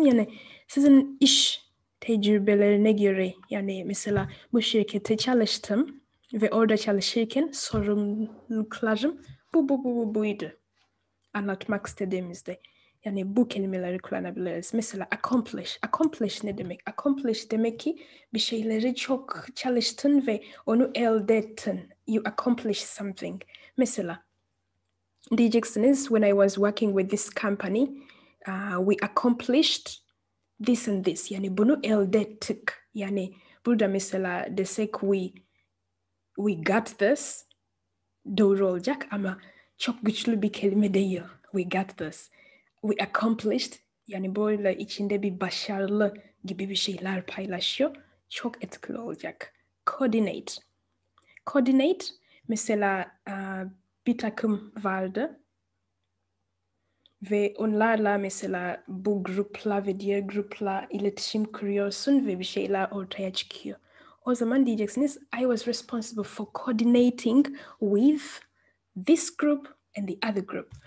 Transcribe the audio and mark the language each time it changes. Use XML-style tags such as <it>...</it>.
<tr>Yani sizin iş tecrübelerine göre yani mesela bu şirkette çalıştım ve orada çalışırken sorumluluklarım bu buydu. anlatmak istediğimizde yani bu kelimeleri kullanabiliriz. Mesela accomplish. Accomplish ne demek? Accomplish demek ki bir şeyleri çok çalıştın ve onu elde ettin.</tr> <en>You accomplish something.</en> <tr>Mesela diyeceksiniz,</tr> <en>when I was working with this company, we accomplished this and this.</en> <tr>Yani bunu elde ettik. Yani burada mesela desek</tr> <en>we got this,</en> <tr>doğru olacak ama çok güçlü bir kelime değil.</tr> <en>We got this. We accomplished,</en> <tr>yani böyle içinde bir başarılı gibi bir şeyler paylaşıyor. Çok etkili olacak. Coordinate. Coordinate, mesela bir takım vardı. Ve onlarla mesela bu grupla ve diğer grupla iletişim kuruyorsun ve bir şeyler ortaya çıkıyor. O zaman diyeceksiniz,</tr> <en>I was responsible for coordinating with this group and the other group.</en>